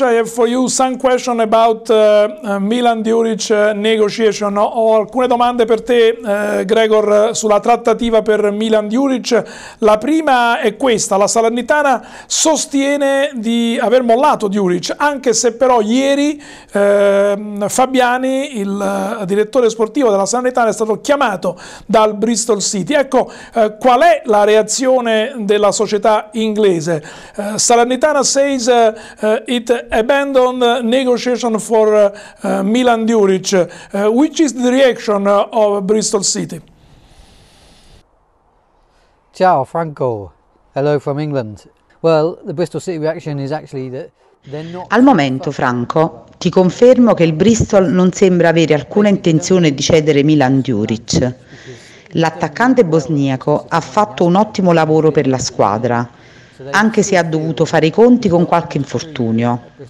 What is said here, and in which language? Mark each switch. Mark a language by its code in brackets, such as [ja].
[en] I have for you some question about Milan Djuric negotiation. [it] Ho alcune domande per te, Gregor, sulla trattativa per Milan Djuric. La prima è questa: la Salernitana sostiene di aver mollato Djuric, anche se però ieri Fabiani, il direttore sportivo della Salernitana, è stato chiamato dal Bristol City. Ecco, qual è la reazione della società inglese? [en] Salernitana says it abandoned negotiation for Milan Djuric. Which is the reaction of Bristol City? Ciao Franco, hello from England. Well, the Bristol City reaction is actually that they're not [it] Al momento, Franco, ti confermo che il Bristol non sembra avere alcuna intenzione di cedere Milan Djuric. L'attaccante bosniaco ha fatto un ottimo lavoro per la squadra, anche se ha dovuto fare i conti con qualche infortunio.